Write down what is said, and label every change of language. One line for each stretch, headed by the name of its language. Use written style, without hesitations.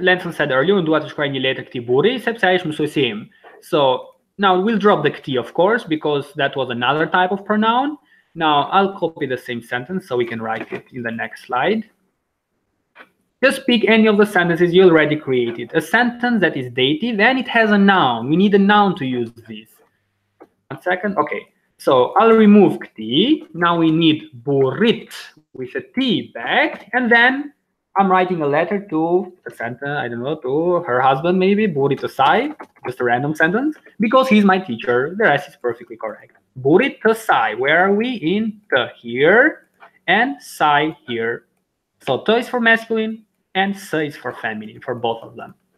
English: Lenson said earlier,
Albanian: "Undua të shkruaj një letër këtij burri, sepse ai është mësuesi im."
English: So now we'll drop the këtij, of course, because that was another type of pronoun. Now I'll copy the same sentence so we can write it in the next slide. Just pick any of the sentences you already created. A sentence that is dative and it has a noun. We need a noun to use this. One second. Okay, so I'll remove këtij. Now we need burrit with a T back, and then I'm writing a letter to a sentence, I don't know, to her husband maybe,
Albanian: burit të saj,
English: just a random sentence, because he's my teacher, the rest is perfectly correct.
Albanian: Burit të saj,
English: where are we? In të here, and saj here. So të is for masculine, and S is for family, for both of them.